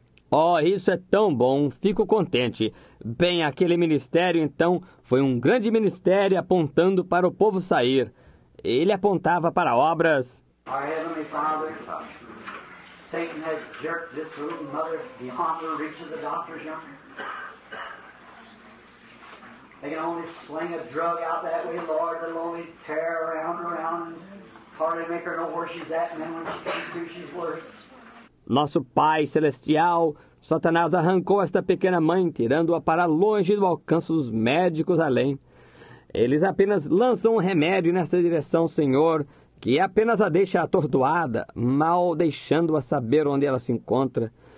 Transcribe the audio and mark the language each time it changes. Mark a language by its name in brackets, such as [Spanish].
[Portuguese] Oh, isso é tão bom. Fico contente. Bem, aquele ministério, então, foi um grande ministério apontando para o povo sair. Ele apontava para obras. [English] Our Heavenly Father, Satan has jerked this little mother beyond the reach of the doctor's young. They can only sling a drug out that way, Lord. They'll only tear around and around and hardly make her know where she's at, and then when she comes to, she's worse. [Portuguese] Nosso Pai Celestial, Satanás arrancou esta pequena mãe, tirando-a para longe do alcance dos médicos além. Eles apenas lançam um remédio nessa direção, Senhor, que apenas a deixa atordoada, mal deixando-a saber onde ela se encontra.